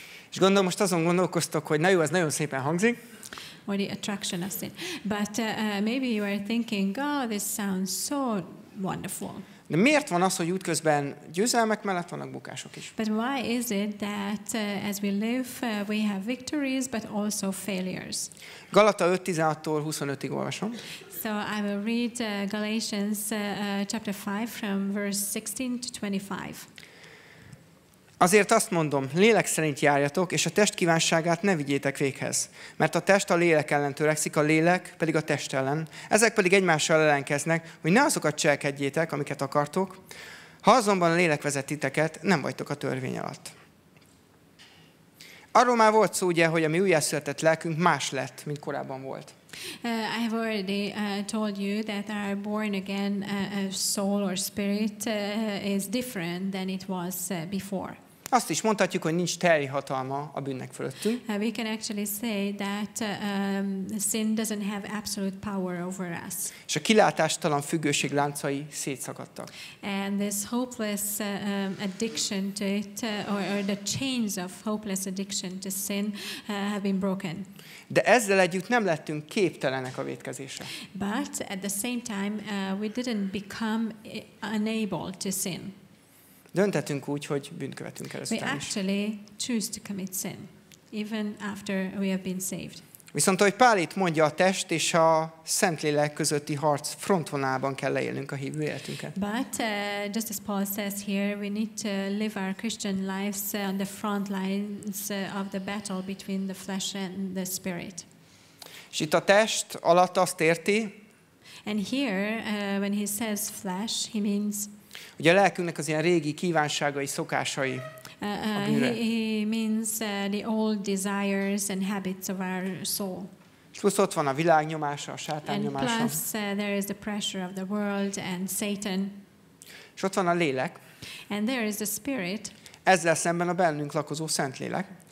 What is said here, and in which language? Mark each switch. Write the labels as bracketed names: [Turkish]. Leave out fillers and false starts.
[Hungarian] És gondolom, most azon gondolkoztok, hogy na jó, ez nagyon szépen hangzik. [English] Or the attraction of sin. But maybe you are thinking, God, this sounds so wonderful. [Hungarian] De miért van az, hogy útközben győzelmek mellett vannak bukások is? [English] But why is it that as we live we have victories but also failures? [Hungarian] Galata 5:16-tól 25-ig olvasom. [English] So I will read Galatians chapter 5 from verse 16 to 25. [Hungarian] Azért azt mondom, lélek szerint járjatok, és a test kívánságát ne vigyétek véghez. Mert a test a lélek ellen törekszik, a lélek pedig a test ellen. Ezek pedig egymással ellenkeznek, hogy ne azokat cselekedjétek, amiket akartok. Ha azonban a lélek vezet titeket, nem vagytok a törvény alatt. Arról már volt szó, ugye, hogy a mi újjászületett lelkünk más lett, mint korábban volt. [English] I have already told you that our born again soul or spirit is different than it was before. [Hungarian] Azt is mondhatjuk, hogy nincs teljes hatalma a bűnnek fölöttünk. [English] We can actually say that sin doesn't have absolute power over us. [Hungarian] És a kilátástalan függőség láncai szétszakadtak. [English] And this hopeless addiction to it or the chains of hopeless addiction to sin have been broken. [Hungarian] De ezzel együtt nem lettünk képtelenek a vétkezésre. [English] But at the same time we didn't become unable to sin. [Hungarian] Döntettünk úgy, hogy bűnt követünk el ezután is. [English] We actually choose to commit sin, even after we have been saved. [Hungarian] Viszont ahogy Pál itt mondja, a test és a Szentlélek közötti harc frontvonalában kell leélnünk a hívő életünket. [English] But just as Paul says here, we need to live our Christian lives on the front lines of the battle between the flesh and the spirit. [Hungarian] És itt a test alatt azt érti. [English] And here, when he says flesh, he means. [Hungarian] Ugye a lelkünknek az ilyen régi kívánságai, szokásai. [English] He means the old desires and habits of our soul. [Hungarian] Plusz ott van a világ nyomása, a sátán [English] and [Hungarian] nyomása. [English] Plus, there is the pressure of the world and Satan. [Hungarian] És ott van a lélek. [English] And there is the spirit. [Hungarian] Ezzel szemben a bennünk lakozó Szentlélek.